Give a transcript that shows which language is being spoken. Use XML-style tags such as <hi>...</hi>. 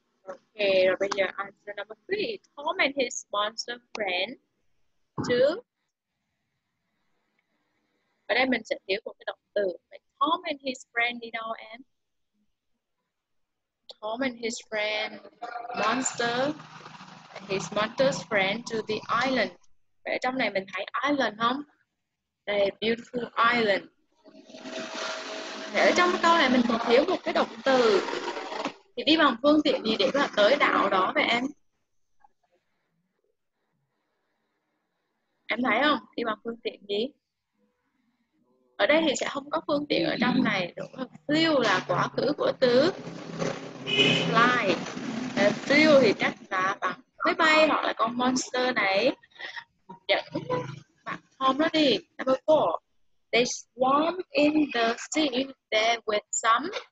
<en>Okay,</en> <vi>rồi bây giờ</vi> <en>answer number 3. Tom and his monster friend to.</en> <vi>Ở đây mình sẽ thiếu một cái động từ.</vi> <en>Tom and his friend</en> <vi>đi đâu em?</vi> <en>Tom and his friend monster, his monster's friend to the island.</en> <vi>Vậy trong này mình thấy island không? Đây,</vi> <en>beautiful island.</en> <vi>Ở trong câu này mình còn thiếu một cái động từ. Thì đi bằng phương tiện gì để mà tới đảo đó vậy em? Em thấy không? Đi bằng phương tiện gì? Ở đây thì sẽ không có phương tiện ở trong này. Đúng không? Flew là quá khứ của từ fly. Flew thì chắc là bằng máy bay hoặc là con monster này dẫn bạn Tom nó đi.</vi> <en>Number 4. They swam in the sea there with some.</en>